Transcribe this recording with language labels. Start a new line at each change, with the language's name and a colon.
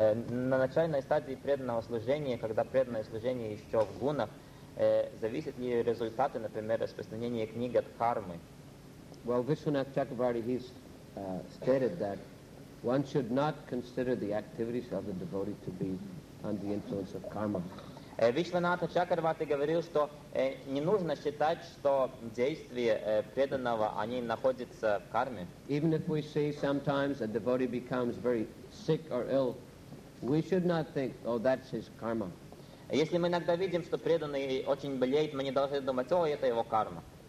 Russian: На начальной стадии преданного служения, когда преданное служение еще в гунах, зависят ли результаты, например, распространения книг от кармы?
English: Well, Vishwanath Chakravarti, he's stated that one should not consider the activities of the devotee to be under the influence of karma.
Russian: Вишванатха Чакраварти говорил, что не нужно считать, что действия преданного, они находятся в карме.
English: Even if we see sometimes a devotee becomes very sick or ill, we should not think, oh, that's his karma.
Russian: Если мы иногда видим, что преданный очень болеет, мы не должны думать, о, это его карма.